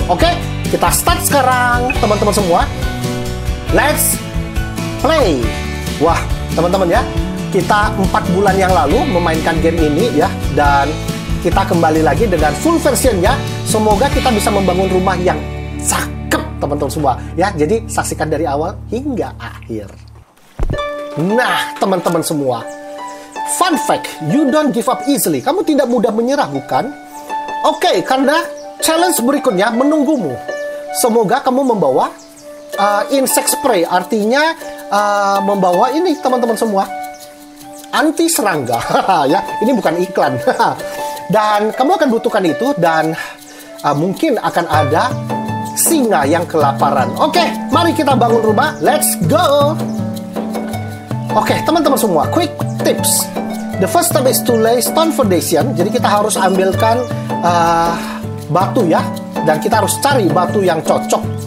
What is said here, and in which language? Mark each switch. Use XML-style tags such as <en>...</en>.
<id>Oke, kita start sekarang teman-teman semua.</id> <en>Let's play.</en> <id>Wah, teman-teman ya, kita 4 bulan yang lalu memainkan game ini ya. Dan kita kembali lagi dengan full versionnya. Semoga kita bisa membangun rumah yang cakep teman-teman semua ya. Jadi saksikan dari awal hingga akhir. Nah, teman-teman semua,</id> <en>fun fact, you don't give up easily.</en> <id>Kamu tidak mudah menyerah, bukan? Oke, okay, karena challenge berikutnya menunggumu. Semoga kamu membawa insect spray, artinya membawa ini, teman-teman semua, anti serangga. Ya, ini bukan iklan. Dan kamu akan butuhkan itu, dan mungkin akan ada singa yang kelaparan. Oke, okay, mari kita bangun rumah.</id> <en>Let's go!</en> <id>Oke, teman-teman semua,</id> <en>quick tips. The first step is to lay stone foundation.</en> <id>Jadi kita harus ambilkan batu ya. Dan kita harus cari batu yang cocok.</id>